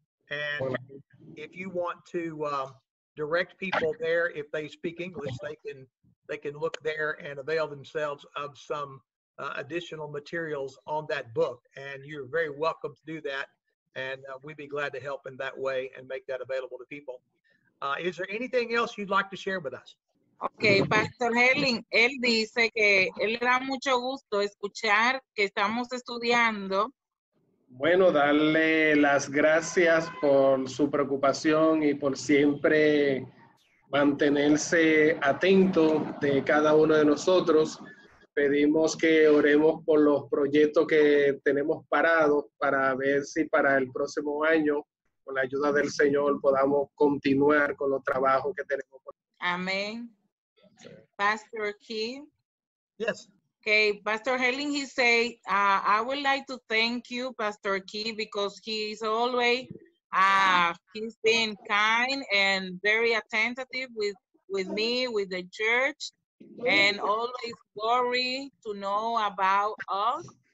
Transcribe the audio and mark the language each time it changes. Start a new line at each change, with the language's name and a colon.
English: And if you want to direct people there, if they speak English, they can look there and avail themselves of some additional materials on that book. And you're very welcome to do that. And we'd be glad to help in that way and make that available to people. Is there anything else you'd like to share with us?
Spanish: Okay, Pastor Jerlin, él dice que él le da mucho gusto escuchar que estamos estudiando. Bueno, darle las gracias por su preocupación y por siempre mantenerse atento de cada uno de nosotros. Pedimos que oremos por los proyectos que tenemos parados para ver si para el próximo año, con la ayuda del Señor, podamos continuar con los trabajos que tenemos. Amén. Pastor Key.
English: Yes. Okay, Pastor Jerlin, he say, I would like to thank you, Pastor Key, because he's always, he's been kind and very attentive with me, with the church, and always glory to know about us.